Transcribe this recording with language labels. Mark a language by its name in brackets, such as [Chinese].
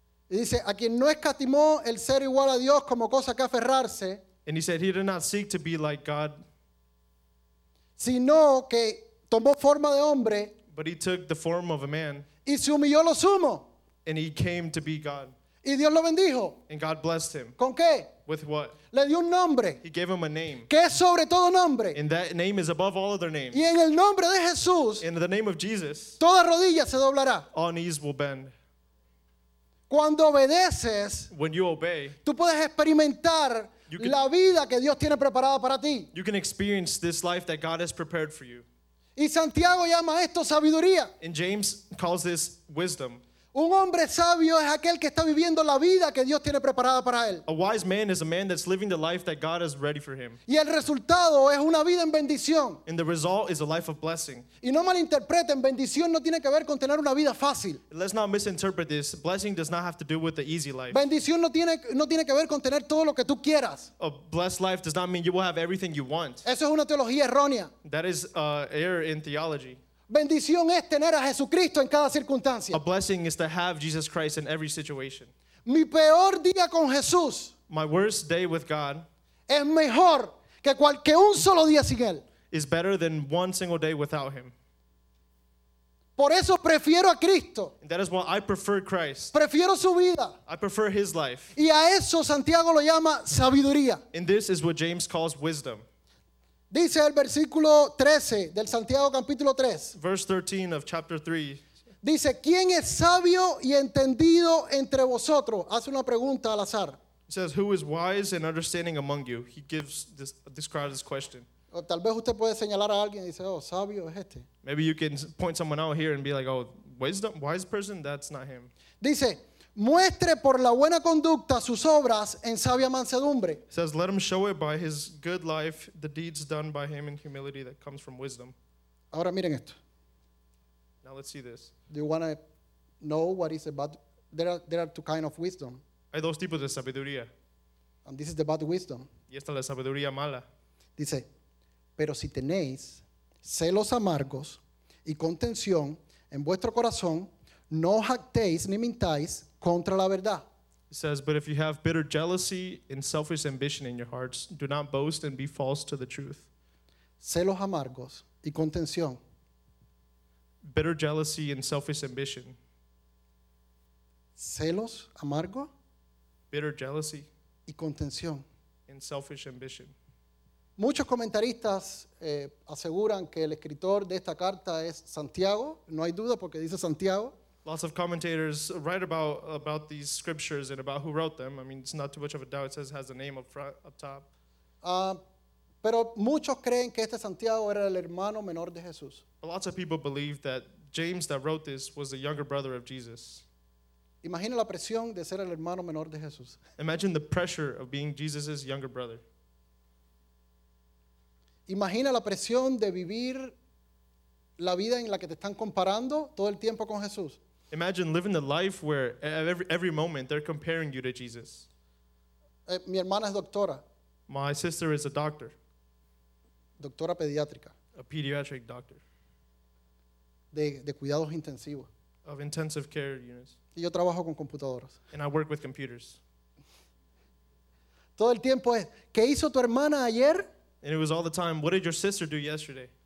[Spanish] Y dice, a quien no escatimó el ser igual a Dios como cosa que aferrarse. [English] And he said he did not seek to be like God. [Spanish] Sino que tomó forma de hombre. [English] But he took the form of a man. [Spanish] Y se humilló lo sumo. [English] And he came to be God. [Spanish] Y Dios lo bendijo. [English] And God blessed him. [Spanish] ¿Con qué? [English] With what? [Spanish] Le dio un nombre. [English] He gave him a name. [Spanish] Que es sobre todo nombre. [English] And that name is above all other names. [Spanish] Y en el nombre de Jesús. [English] In the name of Jesus. [Spanish] Toda rodilla se doblará. [English] All knees will bend. [Spanish] Cuando obedeces, [English] when you obey, [Spanish] tú puedes experimentar la vida que Dios tiene preparada para ti. [English] You can experience this life that God has prepared for you. [Spanish] Y Santiago llama esto sabiduría. [English] And James calls this wisdom. [Spanish] Un hombre sabio es aquel que está viviendo la vida que Dios tiene preparada para él. [English] A wise man is a man that's living the life that God has ready for him. [Spanish] Y el resultado es una vida en bendición. [English] And the result is a life of blessing. [Spanish] Y no malinterpreten, bendición no tiene que ver con tener una vida fácil. [English] Let's not misinterpret this. Blessing does not have to do with the easy life. [Spanish] Bendición no tiene que ver con tener todo lo que tú quieras. [English] A blessed life does not mean you will have everything you want. [Spanish] Eso es una teología errónea. [English] That is error in theology. [Spanish] Bendición es tener a Jesucristo en cada circunstancia. [English] A blessing is to have Jesus Christ in every situation. [Spanish] Mi peor día con Jesús. [English] My worst day with God. [Spanish] Es mejor que cualquier un solo día sin él. [English] Is better than one single day without him. [Spanish] Por eso prefiero a Cristo. [English] And that is why I prefer Christ. [Spanish] Prefiero su vida. [English] I prefer his life. [Spanish] Y a eso Santiago lo llama sabiduría. [English] And this is what James calls wisdom. [Spanish] Dice el versículo 13 del Santiago capítulo 3. [English] Verse 13 of chapter 3. [Spanish] Dice, ¿quién es sabio y entendido entre vosotros? Hace una pregunta al azar. [English] It says, who is wise and understanding among you? He gives this, describes this question. [Spanish] O tal vez usted puede señalar a alguien y dice, oh, sabio es este. [English] Maybe you can point someone out here and be like, oh, wisdom, wise person, that's not him. [Spanish] Dice, muestre por la buena conducta sus obras en sabia mansedumbre. [English] It says, let him show it by his good life, the deeds done by him in humility that comes from wisdom. [Spanish] Ahora miren esto. [English] Now let's see this. Do you want to know what is about? There are two kinds of wisdom. [Spanish] Hay dos tipos de sabiduría. [English] And this is the bad wisdom. [Spanish] Y esta es la sabiduría mala. Dice, pero si tenéis celos amargos y contención en vuestro corazón, no jactéis ni mintáis contra la verdad. [English] It says, but if you have bitter jealousy and selfish ambition in your hearts, do not boast and be false to the truth. [Spanish] Celos amargos y contención. [English] bitter jealousy and selfish ambition. [Spanish] Celos, amargo. [English] Bitter jealousy. [Spanish] Y contención. [English] And selfish ambition. [Spanish] Muchos comentaristas aseguran que el escritor de esta carta es Santiago. No hay duda porque dice Santiago. [English] Lots of commentators write about these scriptures and about who wrote them. I mean, it's not too much of a doubt. It says it has the name up front, up top. [Spanish] Pero muchos creen que este Santiago era el hermano menor de Jesús. [English] But lots of people believe that James that wrote this was the younger brother of Jesus. [Spanish] Imagina la presión de ser el hermano menor de Jesús. [English] Imagine the pressure of being Jesus' younger brother. [Spanish] Imagina la presión de vivir la vida en la que te están comparando todo el tiempo con Jesús. [English] Imagine living the life where every moment they're comparing you to Jesus. [Spanish] Mi hermana es doctora. [English] My sister is a doctor. [Spanish] Doctora pediátrica. [English] A pediatric doctor. [Spanish] De cuidados intensivos. [English] Of intensive care units. [Spanish] Y yo trabajo con computadoras. [English] And I work with computers. [Spanish] Todo el tiempo es, ¿qué hizo tu hermana ayer? [English] And it was all the time, what did your sister do yesterday?